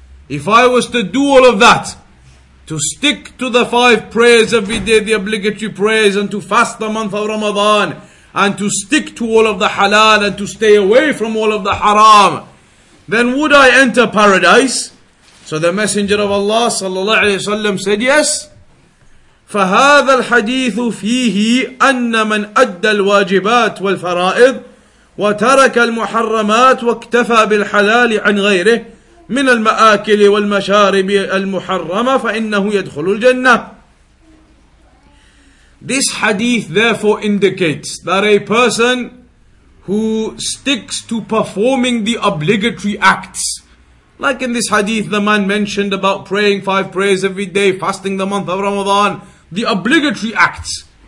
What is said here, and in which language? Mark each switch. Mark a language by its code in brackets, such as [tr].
[en] If I was to do all of that, to stick to the five prayers every day, the obligatory prayers, and to fast the month of Ramadan, and to stick to all of the halal, and to stay away from all of the haram, then would I enter paradise? So the Messenger of Allah sallallahu alaihi wasallam said yes. [ar] فهذا الحديث فيه أن من أدى الواجبات والفرائض وترك المحرمات واكتفى بالحلال عن غيره من المآكل والمشارب المحرمة فإنه يدخل الجنة. [en] This hadith therefore indicates that a person who sticks to performing the obligatory acts, like in this hadith the man mentioned about praying five prayers every day, fasting the month of Ramadan, the obligatory acts.